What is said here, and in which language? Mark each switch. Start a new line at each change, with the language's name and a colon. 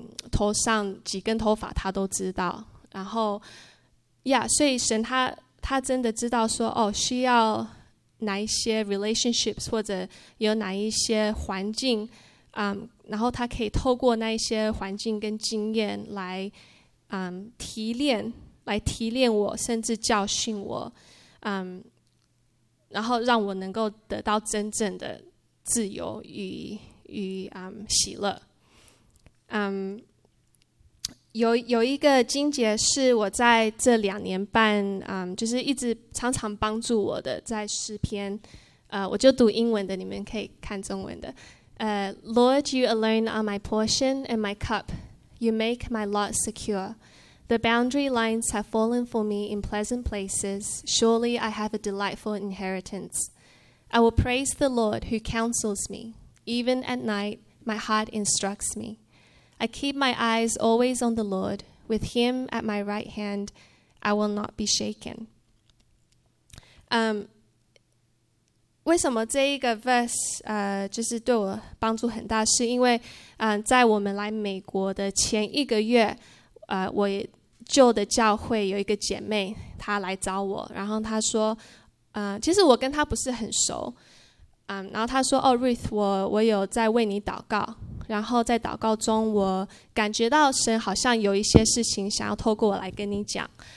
Chinese: 头上几根头发他都知道，然后所以神他真的知道说，哦，需要哪一些 relationships 或者有哪一些环境，然后他可以透过那一些环境跟经验来提炼我，甚至教训我，然后让我能够得到真正的自由与喜乐。有一个经节是我在这两年半就是一直常常帮助我的，在诗篇我就读英文的，你们可以看中文的。
English: Lord, you alone are my portion and my cup. You make my lot secure. The boundary lines have fallen for me in pleasant places. Surely I have a delightful inheritance. I will praise the Lord who counsels me. Even at night, my heart instructs me. I keep my eyes always on the Lord. With him at my right hand, I will not be shaken.
Chinese: 为什么这一个 verse 就是对我帮助很大，是因为在我们来美国的前一个月，我旧的教会有一个姐妹她来找我，然后她说其实我跟她不是很熟，然后她说，哦 Ruth， 我有在为你祷告，然后在祷告中我感觉到神好像有一些事情想要透过我来跟你讲。